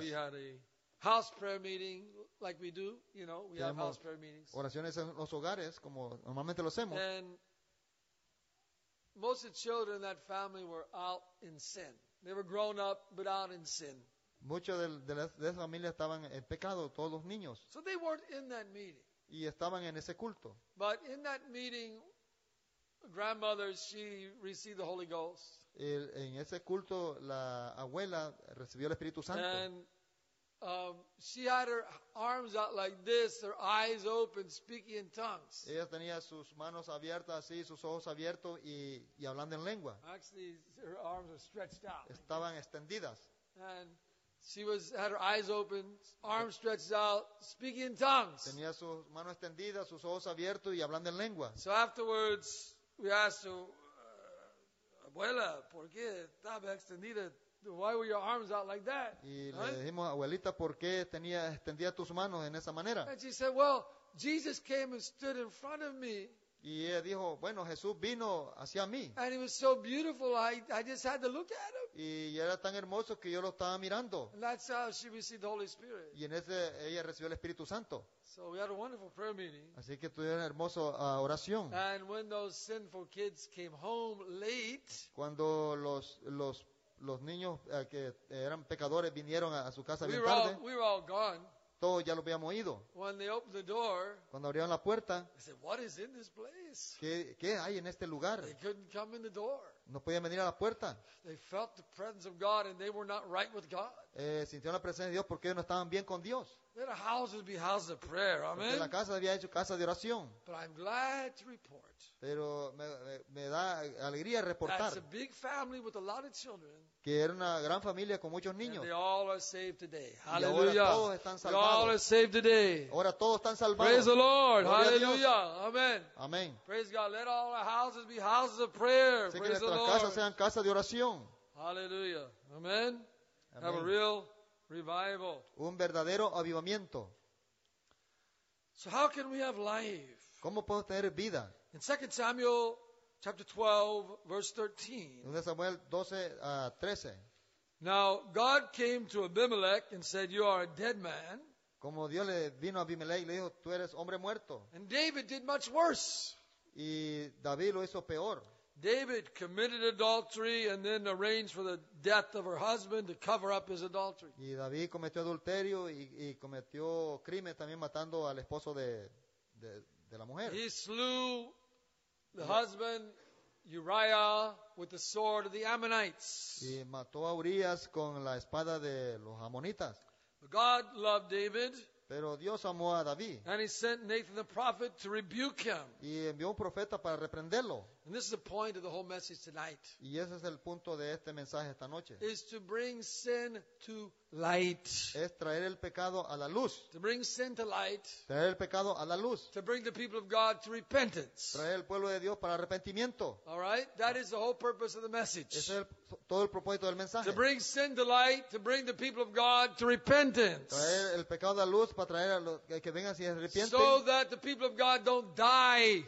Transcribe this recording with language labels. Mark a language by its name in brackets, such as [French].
[English] We had a house prayer meeting like we do, you know, we have house prayer meetings. [Spanish] Oraciones en los hogares como normalmente lo hacemos. [English] And most of the children in that family were out in sin. They were grown up, but out in sin. [Spanish] Muchos de esa familia estaban en pecado, todos los niños. [English] So they weren't in that meeting. [Spanish] Y estaban en ese culto. [English] But in that meeting, grandmother, she received the Holy Ghost. [Spanish] En ese culto, la abuela recibió el Espíritu Santo. [English] And she had her arms out like this, her eyes open, speaking in tongues. [Spanish] Ella tenía sus manos abiertas así, sus ojos abiertos y hablando en lengua. [English] Actually, her arms were stretched out. [Spanish] Estaban extendidas. [English] And she had her eyes open, arms stretched out, speaking in tongues. [Spanish] Tenía sus manos extendidas, sus ojos abiertos y hablando en lengua. [English] So afterwards, we asked her, [Spanish] abuela, ¿por qué estaba extendida? [English] Why were your arms out like that? [Spanish] Y le dijimos, abuelita, ¿por qué extendía tus manos en esa manera? [English] And she said, well, Jesus came and stood in front of me. [Spanish] Y ella dijo, bueno, Jesús vino hacia mí. [English] And he was so beautiful, I just had to look at him. [Spanish] Y era tan hermoso que yo lo estaba mirando. [English] And that's how she received the Holy Spirit. [Spanish] Y en ese, ella recibió el Espíritu Santo. [English] So we had a wonderful prayer meeting. [Spanish] Así que tuvieron una hermosa oración. [English] And when those sinful kids came home late, [Spanish] cuando los niños que eran pecadores vinieron a su casa bien [English] all, [Spanish] tarde. [English] We were all gone. [Spanish] Todos ya lo habíamos ido. [English] When they opened the door, [Spanish] cuando abrieron la puerta, [English] they said, what is in this place? [Spanish] ¿Qué hay en este lugar? [English] They couldn't come in the door. [Spanish] No podían venir a la puerta. [English] They felt the presence of God and they were not right with God. [Spanish] Sintieron la presencia de Dios porque ellos no estaban bien con Dios. [English] Then a house would be a house of prayer. Amen. [Spanish] Porque la casa había hecho casa de oración. [English] But I'm glad to report. [Spanish] Pero me da alegría reportar. [English] That's a big family with a lot of children. [Spanish] Que era una gran familia con muchos niños. [English] They all are saved today. Hallelujah. [Spanish] Y ahora todos están salvados. [English] They all are saved today. [Spanish] Ahora todos están salvados. [English] Praise the Lord. Hallelujah. Amen. Amen. Praise God. Let all our houses be houses of prayer. [Spanish] Así [English] praise [Spanish] que nuestras casas sean casas de oración. [English] Hallelujah. Amen. Amen. Have a real revival. [Spanish] Un verdadero avivamiento. [English] So how can we have life? [Spanish] ¿Cómo podemos tener vida? [English] In 2 Samuel chapter 12, verse 13. [Spanish] 2 Samuel 12, 13. [English] Now God came to Abimelech and said, you are a dead man. [Spanish] Como Dios le vino a Abimelech y le dijo, tú eres hombre muerto. [English] And David did much worse. [Spanish] Y David lo hizo peor. [English] David committed adultery and then arranged for the death of her husband to cover up his adultery. [Spanish] Y David cometió adulterio y cometió crimen también matando al esposo de la mujer. [English] He slew the husband Uriah with the sword of the Ammonites. [Spanish] Y mató a Urias con la espada de los Amonitas. [English] But God loved David. [Spanish] Pero Dios amó a David. [English] And he sent Nathan the prophet to rebuke him. [Spanish] Y envió un profeta para reprenderlo. [English] And this is the point of the whole message tonight. [Spanish] Y ese es el punto de este mensaje esta noche. [English] Is to bring sin to light. [Spanish] Es traer el pecado a la luz. [English] To bring sin to light. [Spanish] Traer el pecado a la luz. [English] To bring the people of God to repentance. [Spanish] Traer el pueblo de Dios para arrepentimiento. [English] All right? That is the whole purpose of the message. [Spanish] Ese es todo el propósito del mensaje. [English] To bring sin to light, to bring the people of God to repentance. [Spanish] Traer el pecado a la luz para traer a los que vengan y se arrepienten. [English] So that the people of God don't die.